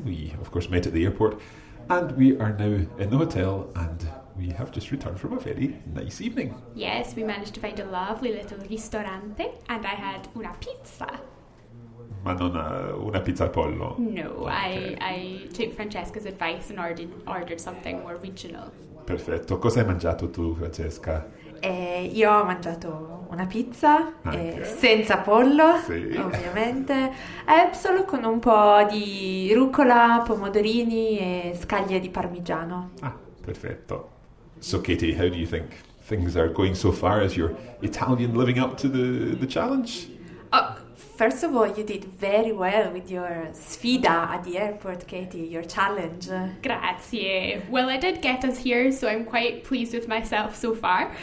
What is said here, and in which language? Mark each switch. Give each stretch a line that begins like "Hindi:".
English: We, of course, met at the airport. And we are now in the hotel and we have just returned from a very nice evening. Yes, we managed to find a lovely little ristorante and I had
Italian: una pizza. Ma non una pizza al pollo?
English: No, okay. I took Francesca's advice and ordered something more regional.
Italian: Perfetto. Cosa hai mangiato tu, Francesca? Io ho mangiato una pizza senza pollo, sì. Ovviamente, è solo con un po' di rucola, pomodorini e scaglie di parmigiano. Ah, perfetto.
English: So Katie, how do you think things are going so far? Is your Italian living up to the challenge? Oh, first of all, you did very well with your sfida at the airport, Katie, your challenge.
Italian: Grazie.
English: Well, I did get us here, so I'm quite pleased with myself so far.